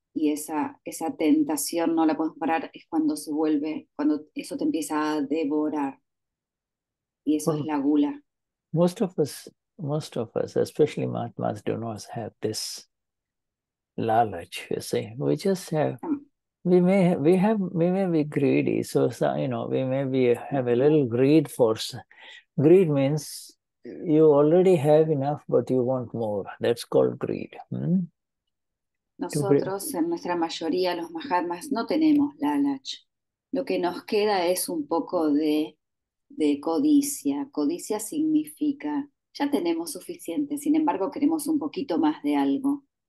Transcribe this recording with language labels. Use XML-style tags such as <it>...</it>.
<es>Y esa tentación no la podemos parar, es cuando se vuelve, cuando eso te empieza a devorar. Y eso es la gula.</es> <en>Most of us, especially Mahatmas, do not have this lalach, you see. We just have, we may be greedy. So, you know, we may be have a little greed force. Greed means you already have enough, but you want more. That's called greed. Hmm?</en> <es>Nosotros, en nuestra mayoría, los mahatmas, no tenemos lalach. Lo que nos queda es un poco de codicia. Codicia significa, ya tenemos suficiente, sin embargo queremos un poquito más de algo.</es>